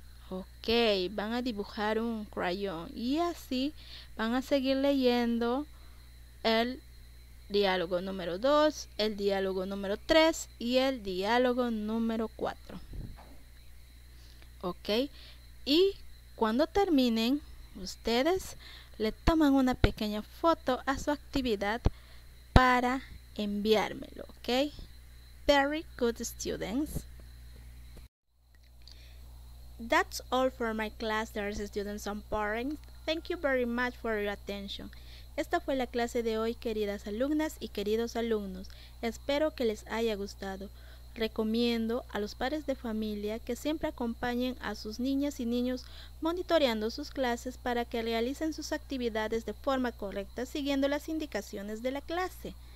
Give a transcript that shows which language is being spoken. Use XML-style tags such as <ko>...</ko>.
<es>Ok, van a dibujar un crayón. Y así van a seguir leyendo el diálogo número 2, el diálogo número 3 y el diálogo número 4. Ok, y cuando terminen, ustedes le toman una pequeña foto a su actividad para enviármelo, ok.</es> <en>Very good students. That's all for my class, dear students and parents. Thank you very much for your attention.</en> <es>Esta fue la clase de hoy, queridas alumnas y queridos alumnos. Espero que les haya gustado. Recomiendo a los padres de familia que siempre acompañen a sus niñas y niños monitoreando sus clases para que realicen sus actividades de forma correcta siguiendo las indicaciones de la clase.</es>